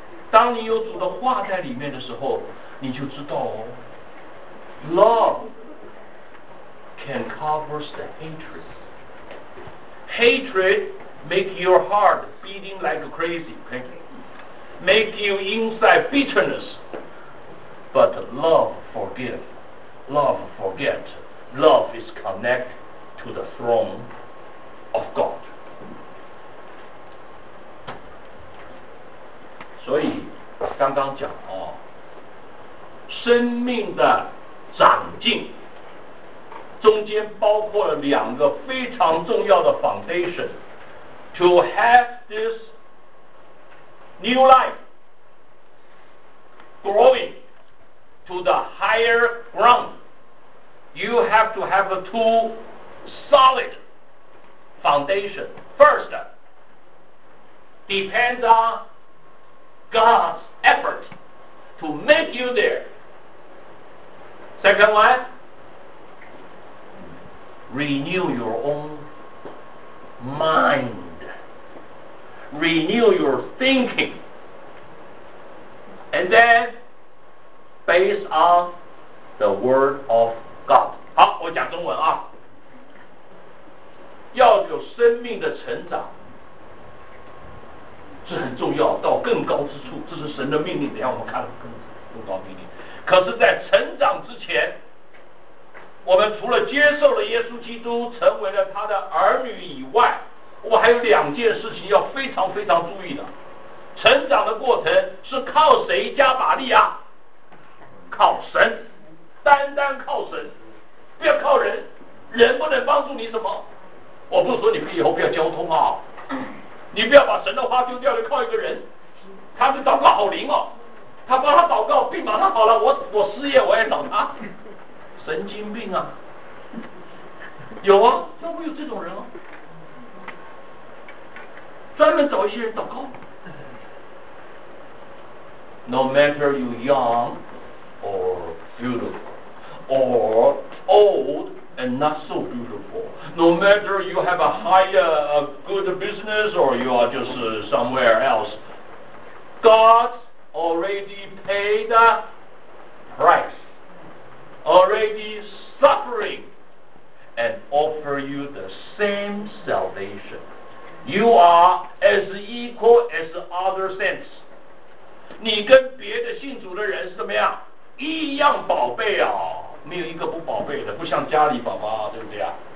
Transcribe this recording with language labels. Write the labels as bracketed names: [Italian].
[Chinese] 当你有主的话在里面的时候，你就知道哦 love. [English] Can covers the hatred. Hatred make your heart beating like crazy, make you inside bitterness. But love forgive, love forget, love is connect to the throne of God. [Chinese] 所以刚刚讲哦，生命的长进。中间包括了两个非常重要的 [English] foundation， to have this new life growing to the higher ground， you have to have a two solid foundation. First depends on God's effort to make you there. Second one,Renew your own mind. Renew your thinking. And then, based on the word of God. [Chinese] 好，我讲中文啊。要有生命的成长，这很重要，到更高之处，这是神的命令，等一下我们看更高命令。可是在成长之前，我们除了接受了耶稣基督成为了他的儿女以外，我还有两件事情要非常非常注意的。成长的过程是靠谁加把力啊？靠神，单单靠神，不要靠人，人不能帮助你什么。我不说你们以后不要交通啊，你不要把神的话丢掉就靠一个人，他的祷告好灵哦，他帮他祷告病马上好了，我失业我也找他，神经病啊，有啊，教会有这种人啊，专门找一些人祷告， [English] No matter you young or beautiful, or old and not so beautiful, no matter you have a a good business or you are just somewhere else, God already paid the price, already suffering, and offer you the same salvation. You are as equal as the other saints. [Chinese] 你跟别的信主的人是怎么样？一样宝贝啊，没有一个不宝贝的，不像家里宝宝，对不对啊？